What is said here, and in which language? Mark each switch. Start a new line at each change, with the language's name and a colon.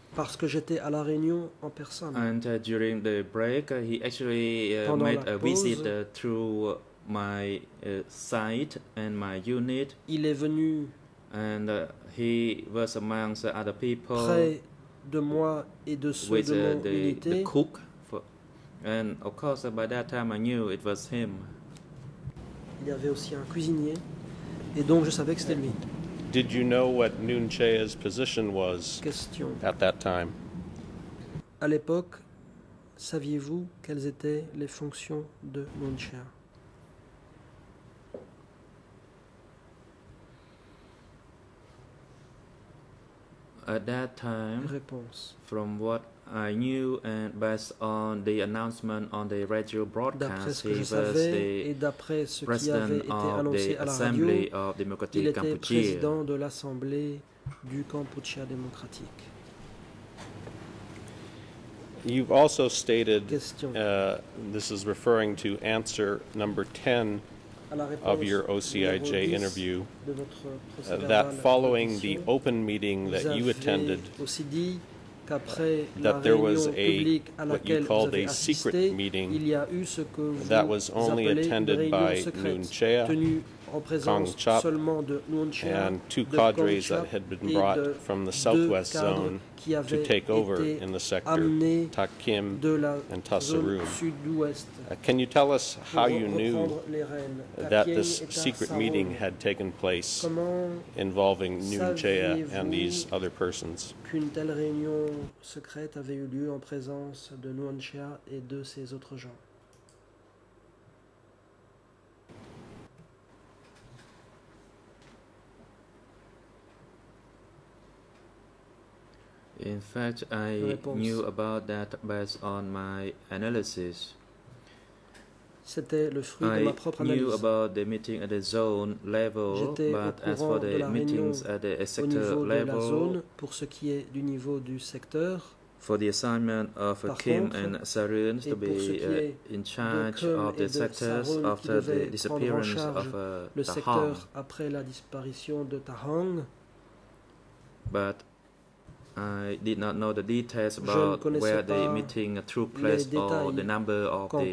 French: parce que j'étais à la réunion en personne.
English: And during the break, he actually made a visit through my site and my unit.
French: Il est venu,
English: and he was amongst other people,
French: près de moi et de ceux
English: with
French: de
English: the cook. And of course, by that time, I knew it was him.
French: Il y avait aussi un cuisinier, et donc je savais que c'était lui.
English: Did you know what Nguyen Chea's position was at that time?
French: À l'époque, saviez-vous quelles étaient les fonctions de Nguyen Chea?
English: At that time,
French: réponse.
English: From what I knew and based on the announcement on the radio broadcast, he was the president of the Assembly of Democratic Cambodia.
French: Il était président de l'Assemblée du Cambodge démocratique.
English: You've also stated, this is referring to answer number 10 of your OCIJ interview, that following the open meeting that you attended, that there was a what you called a secret meeting that was only attended by Nguyen Chea, Kong Chop, and two cadres that had been brought from the southwest zone to take over in the sector, Tak Kim and Ta Sarum. Can you tell us how you knew that this secret meeting had taken place involving Nguyen Chea and these other persons?
French: Qu'une telle réunion secrète avait eu lieu en présence de Nguyen Chea et de ces autres gens.
English: In fact, I knew about that based on my analysis.
French: C'était le fruit de ma propre analyse.
English: I knew about the meeting at the zone level, but as for the meetings at the sector level,
French: zone, pour ce qui est du niveau du secteur,
English: for the assignment of Kim and Sarun to be in charge of the sectors after the disappearance of
French: le secteur après la disparition de Tahong,
English: but I did not know the details about where the meeting took place or the number of the